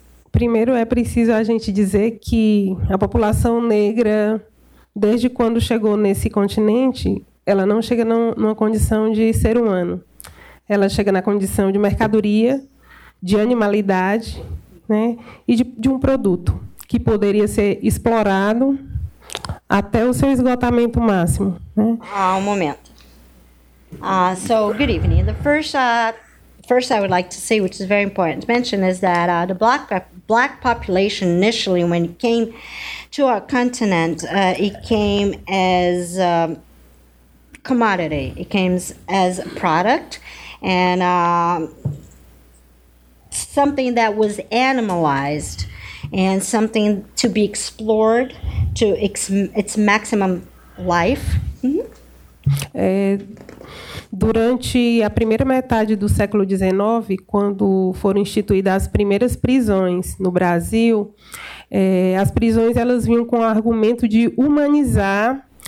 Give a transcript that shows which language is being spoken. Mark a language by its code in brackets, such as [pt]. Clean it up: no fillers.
[pt] Primeiro é preciso a gente dizer que a população negra, desde quando chegou nesse continente, ela não chega numa condição de ser humano. Ela chega na condição de mercadoria, de animalidade, né, e de um produto que poderia ser explorado até o seu esgotamento máximo. Né? Um momento. [en] So, good evening. The first I would like to say, which is very important to mention, is that the black population initially, when it came to our continent, it came as a commodity. It came as a product. And something that was animalized and something to be explored to its maximum life. Mm-hmm. [pt] Durante a primeira metade do século XIX, quando foram instituídas as primeiras prisões no Brasil, as prisões elas vinham com o argumento de humanizar